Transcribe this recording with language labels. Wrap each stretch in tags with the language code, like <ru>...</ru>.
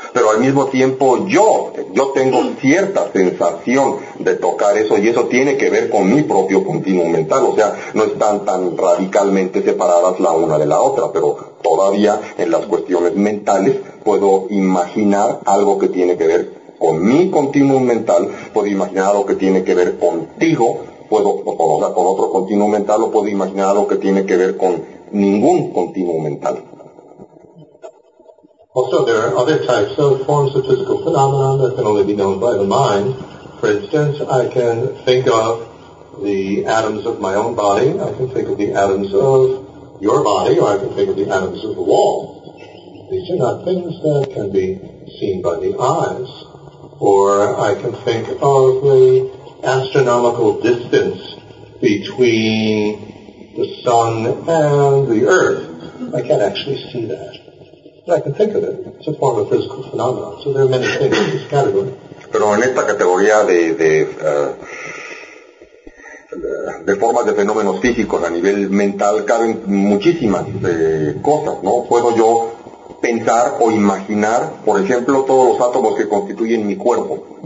<es>Pero al mismo tiempo yo tengo cierta sensación de tocar eso, y eso tiene que ver con mi propio continuo mental. O sea, no están tan radicalmente separadas la una de la otra, pero todavía en las cuestiones mentales puedo imaginar algo que tiene que ver con mi continuum mental, puedo imaginar algo que tiene que ver contigo, con otro continuum mental, o puedo imaginar algo que tiene que ver con ningún continuum mental.</es> <en>Also, there are other types of forms of physical phenomena that can only be known by the mind. For instance, I can think of the atoms of my own body, I can think of the atoms of your body, or I can think of the atoms of the wall. These are not things that can be seen by the eyes. Or I can think of the astronomical distance between the sun and the earth. I can't actually see that. But I can think of it. It's a form of physical phenomenon. So there are many things in this category.</en> <es>Pero en esta categoría de formas de fenómenos físicos a nivel mental caben muchísimas cosas, ¿no? Puedo yo pensar o imaginar, por ejemplo, todos los átomos que constituyen mi cuerpo.</es>